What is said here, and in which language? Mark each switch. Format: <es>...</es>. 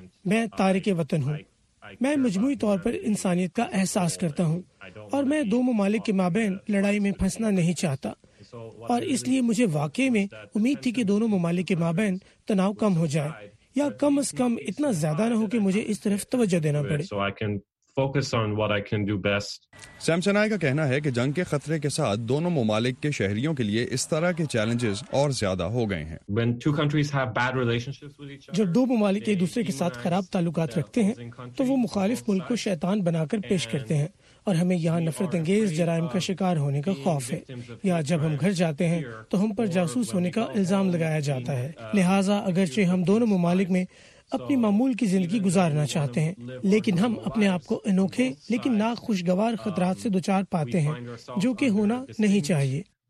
<ur>میں تارک وطن ہوں, میں مجموعی طور پر انسانیت کا احساس کرتا ہوں اور میں دو ممالک کے مابین لڑائی میں پھنسنا نہیں چاہتا, اور اس لیے مجھے واقعی میں امید تھی کہ دونوں ممالک کے مابین تناؤ کم ہو جائے یا کم از کم اتنا زیادہ نہ ہو کہ مجھے اس طرف توجہ دینا پڑے.</ur> <en>Focus on what I can do best.</en> <ur>سیمسنائے کا کہنا ہے کہ جنگ کے خطرے کے ساتھ دونوں ممالک کے شہریوں کے لیے اس طرح کے چیلنجز اور زیادہ ہو گئے ہیں.</ur> <en>When two countries have bad relationships with each other,</en> <ur>جب دو ممالک ایک دوسرے کے ساتھ خراب تعلقات رکھتے ہیں تو وہ مخالف ملک کو شیطان بنا کر پیش کرتے ہیں, اور ہمیں یہاں نفرت انگیز جرائم کا شکار ہونے کا خوف ہے, یا جب ہم گھر جاتے ہیں تو ہم پر جاسوس ہونے کا الزام لگایا جاتا ہے. لہٰذا اگرچہ ہم دونوں ممالک میں اپنی معمول کی زندگی گزارنا چاہتے ہیں, لیکن ہم اپنے آپ کو انوکھے لیکن ناخوشگوار خطرات سے دوچار پاتے ہیں جو کہ ہونا نہیں چاہیے.</ur>